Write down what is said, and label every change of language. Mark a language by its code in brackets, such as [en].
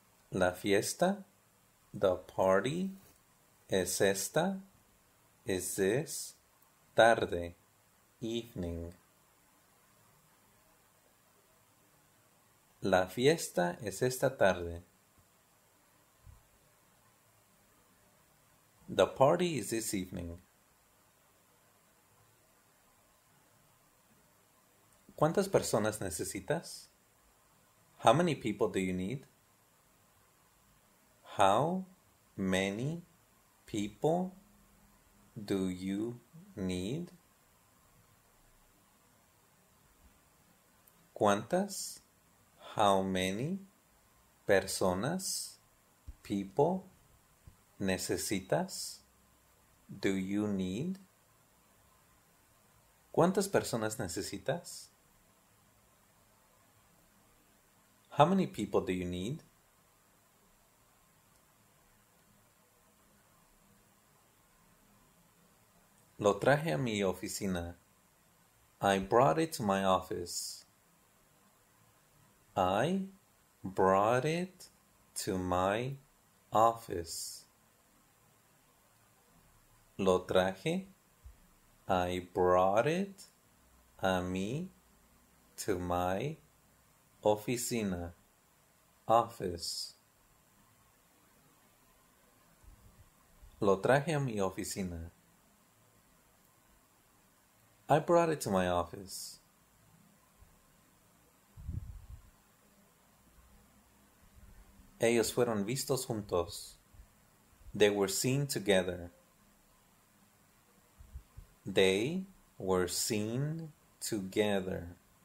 [es] La fiesta, [en] the party, [es] es esta, [en] is this, [es] tarde, [en] evening. [es] La fiesta es esta tarde. [en] The party is this evening. [es] ¿Cuántas personas necesitas? [en] How many people do you need? How many people do you need? [es] ¿Cuántas? [en] How many [es] personas, [en] people, [es] necesitas? [en] Do you need? [es] ¿Cuántas personas necesitas? [en] How many people do you need? [es] Lo traje a mi oficina. [en] I brought it to my office. I brought it to my office. [es] Lo traje. [en] I brought it [es] a mí [en] to my [es] oficina. [en] Office. [es] Lo traje a mi oficina. [en] I brought it to my office. [es] Ellos fueron vistos juntos. [en] They were seen together. They were seen together.